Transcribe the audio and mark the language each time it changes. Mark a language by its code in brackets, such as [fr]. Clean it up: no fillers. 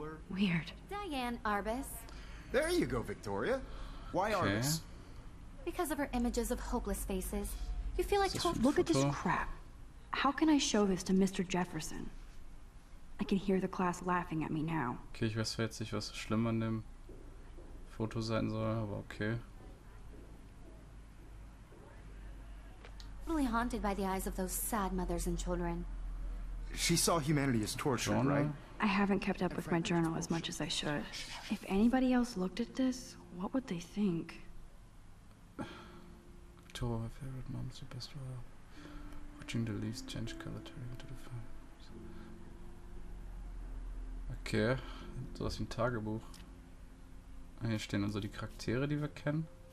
[en] Weird. Diane Arbus. There you go, Victoria. Why okay. Arbus? Because of her images of hopeless faces. You feel like told. Look at this crap. How can I show this to Mr. Jefferson? I can hear the class laughing at me now. [de] Okay, ich weiß jetzt nicht, was schlimm an dem Foto sein soll, aber okay. [en] Really haunted by the eyes of those sad mothers and children. She saw humanity as tortured, genre. Right? I haven't kept up with my journal as much as I should. If anybody else looked at this, what would they think? Two of my favorite moments are best while watching the leaves change color turning into the fire. [de] Okay, so was wie ein Tagebuch. Hier stehen also die Charaktere, die wir kennen.